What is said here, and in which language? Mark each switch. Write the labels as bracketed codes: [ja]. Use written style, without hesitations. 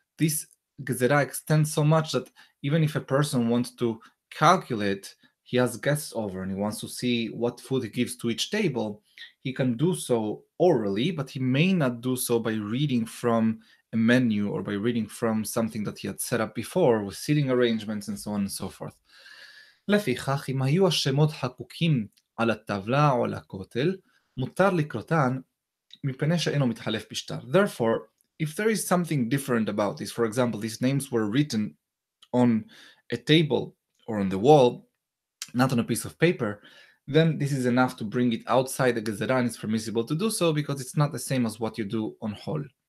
[en] This gezira extends so much that even if a person wants to calculate, he has guests over and he wants to see what food he gives to each table, he can do so orally, but he may not do so by reading from a menu or by reading from something that he had set up before with seating arrangements and so on and so forth. [he] לפיכך, אם היו השמות חקוקים על הטבלה או על הכותל, מותר לקרותן מפני שאינו מתחלף בשטר. [en] Therefore, if there is something different about this, for example, these names were written on a table or on the wall, not on a piece of paper, then this is enough to bring it outside the gezerah, and it's permissible to do so because it's not the same as what you do on hol.